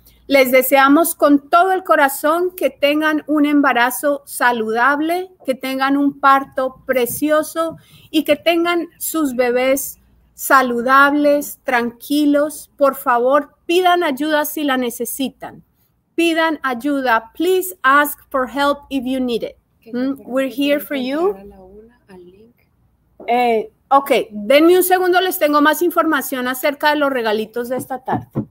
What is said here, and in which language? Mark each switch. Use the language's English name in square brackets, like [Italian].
[Spanish] Les deseamos con todo el corazón que tengan un embarazo saludable, que tengan un parto precioso y que tengan sus bebés saludables, tranquilos. Por favor, pidan ayuda si la necesitan. Pidan ayuda. [English] Please ask for help if you need it. We're here for you. [Spanish] Ok, denme un segundo, les tengo más información acerca de los regalitos de esta tarde.